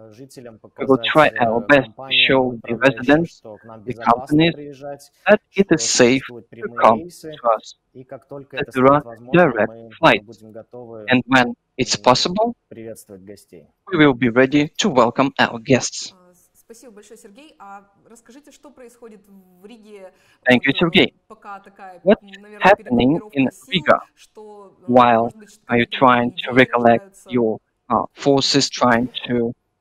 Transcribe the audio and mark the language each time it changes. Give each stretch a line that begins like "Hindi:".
English: We will try our best to show the residents, the companies, that it is safe to come to us, that there are direct flights, and when it's possible, we will be ready to welcome our guests.
Russian: Спасибо большое, Сергей. А расскажите, что происходит в Риге?
English: Thank you, Сергей.
Russian: Пока такая,
English: What's happening in Riga
Russian: что,
English: while are you trying to recollect your forces, trying to...